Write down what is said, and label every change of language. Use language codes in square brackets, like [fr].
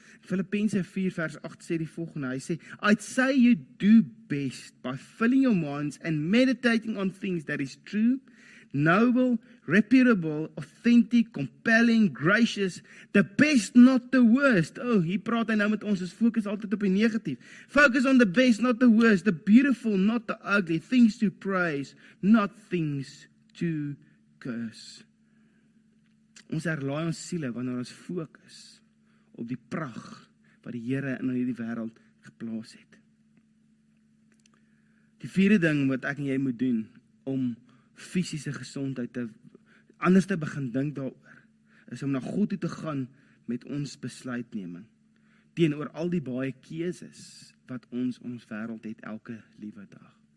[af] Filippense 4 vers 8 sê die volgende, hy sê, [en] I'd say you do best by filling your minds and meditating on things that is true, noble, reputable, authentic, compelling, gracious, the best, not the worst. [af] Oh, hier praat hy nou met ons, ons focus altyd op die negatief. [en] Focus on the best, not the worst, the beautiful, not the ugly, things to praise, not things to curse. [af] Ons herlaai ons siele wanneer ons focus op die pracht wat die Here in hierdie wêreld geplaas het. Die vierde ding wat ek en jy moet doen om fisiese gesondheid te anders te begin dink daaroor, is om na God toe te gaan met ons besluitneming, teenoor al die baie keuses wat ons in ons wêreld het elke liewe dag.